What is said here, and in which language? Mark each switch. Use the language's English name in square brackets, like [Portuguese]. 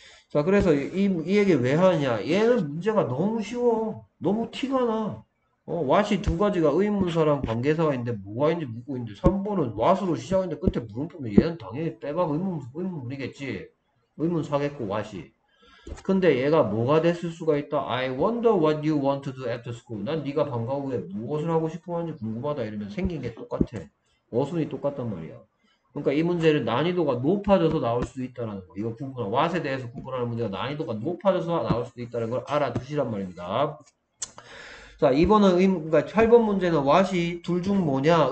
[Korean] 자, 그래서 이 얘기 왜 하냐? 얘는 문제가 너무 쉬워. 너무 티가 나. [English] what이 [Korean] 두 가지가 의문사랑 관계사가 있는데 뭐가 있는지 묻고 있는데 3번은 what으로 시작했는데 끝에 물음표면 얘는 당연히 빼박 의문문이겠지. 의문사겠고 what이. 근데 얘가 뭐가 됐을 수가 있다? [English] I wonder what you want to do after school. [Korean] 난 네가 방과 후에 무엇을 하고 싶어 하는지 궁금하다 이러면 생긴 게 똑같아. 어순이 똑같단 말이야. 그러니까 이 문제는 난이도가 높아져서 나올 수 있다는 거. 이거 구분하고 what에 대해서 구분하는 문제가 난이도가 높아져서 나올 수 있다는 걸 알아두시란 말입니다. 자, 이번은 그러니까 8번 문제는 what이 둘중 뭐냐?